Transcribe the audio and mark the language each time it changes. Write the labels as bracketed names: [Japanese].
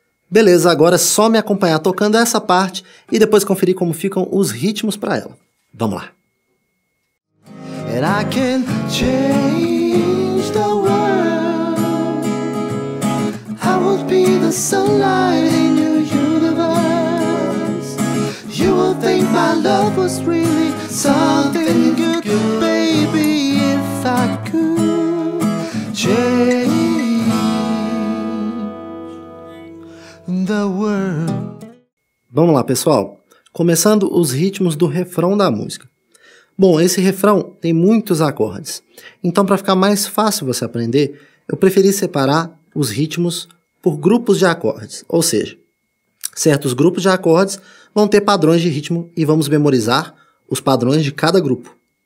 [Portuguese] Beleza, agora é só me acompanhar tocando essa parte e depois conferir como ficam os ritmos para ela. Vamos lá. [English] And I can change the world. I will be the sunlight in your universe. You will think my love was really something good, baby, if I could change the world. [Portuguese] Vamos lá, pessoal. Começando os ritmos do refrão da música. Bom, esse refrão tem muitos acordes, então para ficar mais fácil você aprender, eu preferi separar os ritmos por grupos de acordes, ou seja, certos grupos de acordes vão ter padrões de ritmo e vamos memorizar os padrões de cada grupo.